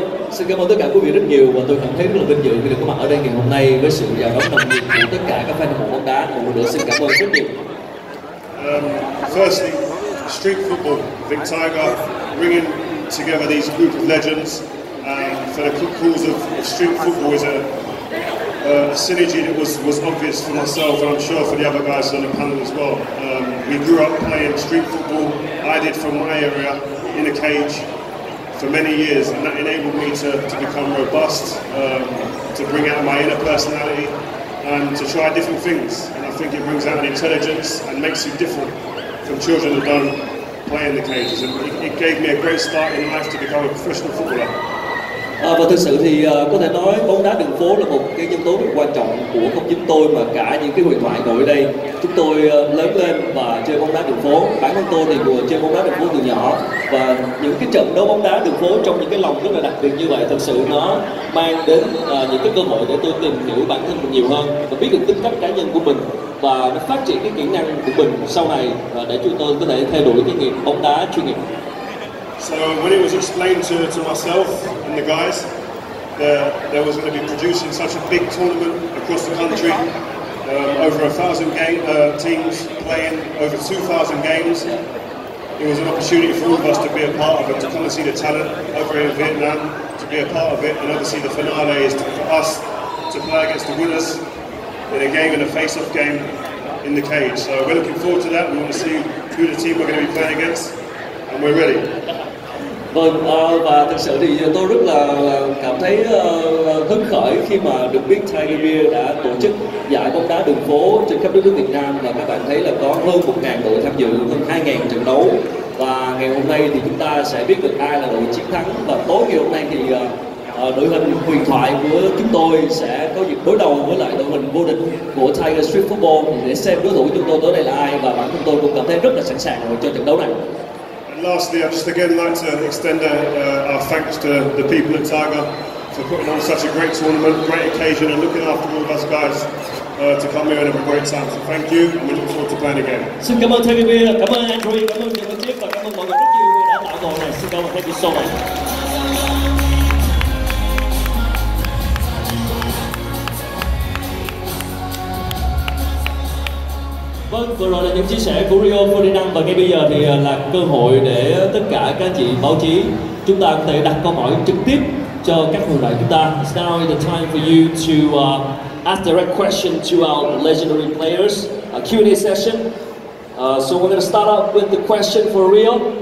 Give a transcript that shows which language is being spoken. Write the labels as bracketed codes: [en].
[vi] Xin cảm ơn tất cả quý vị rất nhiều và tôi cảm thấy rất là vinh dự khi được có mặt ở đây ngày hôm nay với sự chào đón nồng nhiệt của tất cả các fan hâm mộ bóng đá. Một lần nữa xin cảm ơn rất nhiều. [en] Firstly, street football, I think Tiger bringing together these group of legends for the cause of street football is a synergy that was obvious for myself and I'm sure for the other guys on the panel as well. We grew up playing street football, I did from my area, in a cage for many years, and that enabled me to become robust, to bring out my inner personality and to try different things. And I think it brings out an intelligence and makes you different from children who don't play in the cages. And it gave me a great start in life to become a professional footballer. [vi] Và thực sự thì có thể nói bóng đá đường phố là một cái nhân tố rất quan trọng của không chỉ tôi mà cả những cái huyền thoại ngồi ở đây. Chúng tôi lớn lên và chơi bóng đá đường phố. Bản thân tôi thì vừa chơi bóng đá đường phố từ nhỏ. Và những cái trận đấu bóng đá đường phố trong những cái lòng rất là đặc biệt như vậy, thực sự nó mang đến những cái cơ hội để tôi tìm hiểu bản thân mình nhiều hơn và biết được tính cách cá nhân của mình và nó phát triển cái kỹ năng của mình sau này để chúng tôi có thể theo đuổi cái nghiệp bóng đá chuyên nghiệp. [en] So when it was explained to myself and the guys that there was going to be producing such a big tournament across the country, over 1,000 teams playing over 2,000 games, it was an opportunity for all of us to be a part of it, to come and see the talent over in Vietnam, to be a part of it, and obviously the finale is for us to play against the winners in a game, in a face-off game in the cage. So we're looking forward to that. We want to see who the team we're going to be playing against, and we're ready. [vi] Vâng, và thực sự thì tôi rất là cảm thấy hứng khởi khi mà được biết Tiger Beer đã tổ chức giải bóng đá đường phố trên khắp đất nước Việt Nam và các bạn thấy là có hơn 1.000 đội tham dự, hơn 2.000 trận đấu. Và ngày hôm nay thì chúng ta sẽ biết được ai là đội chiến thắng và tối ngày hôm nay thì đội hình huyền thoại của chúng tôi sẽ có dịp đối đầu với lại đội hình vô địch của Tiger Street Football để xem đối thủ chúng tôi tối nay là ai và bản thân tôi cũng cảm thấy rất là sẵn sàng cho trận đấu này. [en] Lastly, I'd just again like to extend our thanks to the people at Tiger for putting on such a great tournament, great occasion, and looking after all of us guys to come here and have a great time. So thank you, and we look forward to playing again. [vi] Xin cảm ơn TVB, cảm ơn Andrew, cảm ơn nhiều người tiếp và cảm ơn mọi người rất nhiều đã tạo cơ này. Xin cảm ơn, [en] thank you so much. [vi] Vâng, Vâng, vừa rồi là những chia sẻ của Rio Ferdinand, và ngay bây giờ thì là cơ hội để tất cả các anh chị báo chí chúng ta có thể đặt câu hỏi trực tiếp cho các người đại chúng ta. [en] It's now the time for you to ask direct question to our legendary players. A Q&A session. So we're going to start up with the question for Rio.